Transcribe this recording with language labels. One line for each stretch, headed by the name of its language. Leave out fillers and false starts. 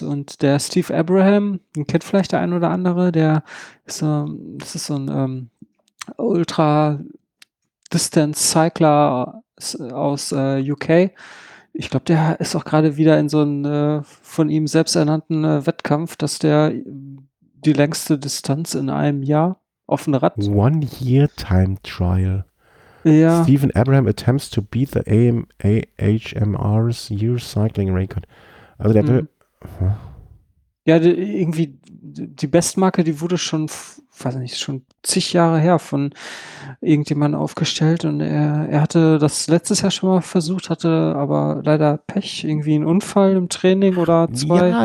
German: Und der Steve Abraham, den kennt vielleicht der ein oder andere, der ist so, das ist so ein Ultra Distance Cycler aus UK. Ich glaube, der ist auch gerade wieder in so einem von ihm selbst ernannten Wettkampf, dass der die längste Distanz in einem Jahr auf dem Rad.
English: One Year Time Trial.
German: Ja.
English: Stephen Abraham attempts to beat the AMA HMR's Year Cycling Record.
German: Also der Ja, irgendwie die Bestmarke, die wurde schon, weiß nicht, schon zig Jahre her von irgendjemandem aufgestellt und er hatte das letztes Jahr schon mal versucht, hatte aber leider Pech, irgendwie einen Unfall im Training oder zwei.